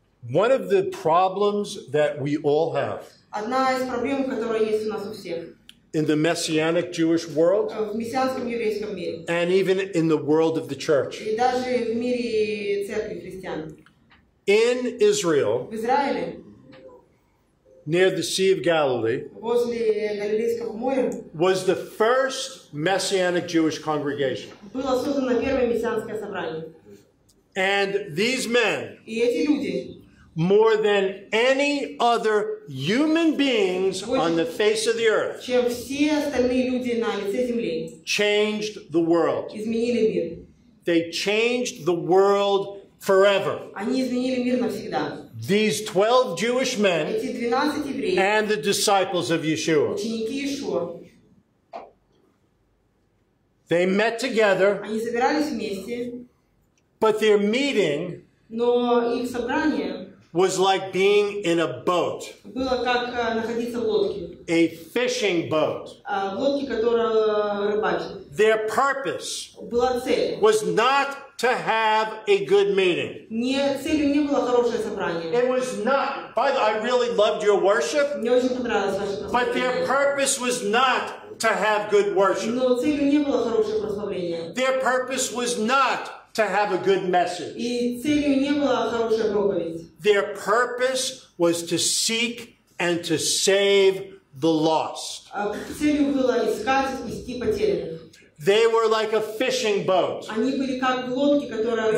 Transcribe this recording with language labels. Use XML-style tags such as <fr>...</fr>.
<en>One of the problems that we all have.</en> <ru>Одна из проблем, которая есть у нас у всех.</ru> <en>In the messianic Jewish world.</en> <ru>В мессианском еврейском мире.</ru> <en>And even in the world of the church.</en> <ru>И даже в мире церкви христиан.</ru> <en>In Israel,</en> <ru>в Израиле,</ru> <en>near the Sea of Galilee,</en> <ru>возле Галилейского моря,</ru> <en>was the first Messianic Jewish congregation.</en> <ru>Было создано первое мессианское собрание.</ru> <en>And these men,</en> <ru>и эти люди,</ru> <en>more than any other human beings</en> <ru>больше,</ru> <en>on the face of the earth,</en> <ru>чем все остальные люди на лице земли,</ru> <en>changed the world.</en> <ru>Изменили мир.</ru> <en>They changed the world forever.</en> <ru>Они изменили мир навсегда.</ru> <en>These 12 Jewish men and the disciples of Yeshua.</en> <ru>Ученики Иешуа.</ru> <en>They met together.</en> <ru>Они собирались вместе.</ru> <en>But their meeting</en> <ru>Но их собрание</ru> <en>was like being in a boat.</en> <ru>Было как находиться в лодке.</ru> <en>A fishing boat.</en> <ru>В лодке, которая рыбачит.</ru> <en>Their purpose</en> <ru>Была цель.</ru> <en>Was not to have a good meeting.</en> <ru>Не, целью не было хорошее собрание.</ru> <en>It was not. By the way, I really loved your worship.</en> <ru>Мне очень понравилось ваше прославление.</ru> <en>But their purpose was not to have good worship.</en> <ru>Но целью не было хорошее прославление.</ru> <en>Their purpose was not to have a good message.</en> <ru>И целью не было хорошая проповедь.</ru> <en>Their purpose was to seek and to save the lost.</en> <ru>Целью было искать и спасти потерянных.</ru> <en>They were like a fishing boat.</en> <ru>Они были как лодки, которые</ru>